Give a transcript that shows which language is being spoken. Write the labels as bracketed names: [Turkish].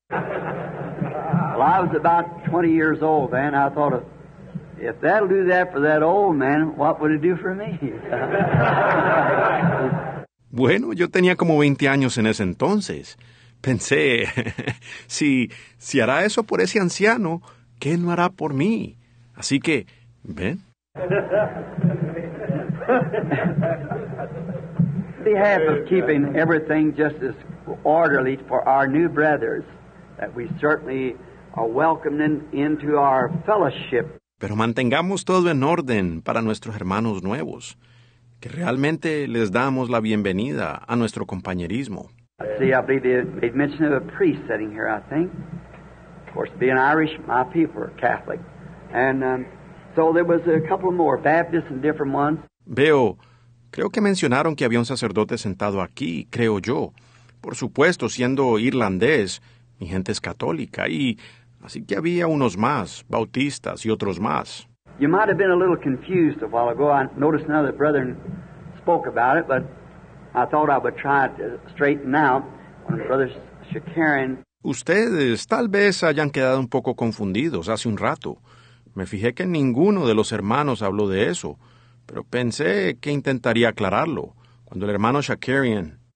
[English] Well, I was about 20 years old then. I thought of... If that'll do that for that old man, what would it do for me? [Spanish] Bueno, yo tenía como 20 años en ese entonces. Pensé, si hará eso por ese anciano, ¿qué no hará por mí? Así que, ven. [English] Behalf of keeping everything just as orderly for our new brothers, that we certainly are welcoming into our fellowship. [Spanish] Pero mantengamos todo en orden para nuestros hermanos nuevos, que realmente les damos la bienvenida a nuestro compañerismo. [English] See, I believe they mentioned of a priest sitting here, I think. Of course, being Irish, my people are Catholic. And so there was a couple more, Baptists and different ones. [Spanish] Veo, creo que mencionaron que había un sacerdote sentado aquí, creo yo. Por supuesto, siendo irlandés, mi gente es católica, y... Así que había unos más, bautistas y otros más. [English] You might have been a little confused a while ago. I noticed another brethren spoke about it, but I thought I would try to straighten out when Brother Shakarian. [Spanish] Ustedes tal vez hayan quedado un poco confundidos hace un rato. Me fijé que ninguno de los hermanos habló de eso, pero pensé que intentaría aclararlo cuando el hermano Shakarian.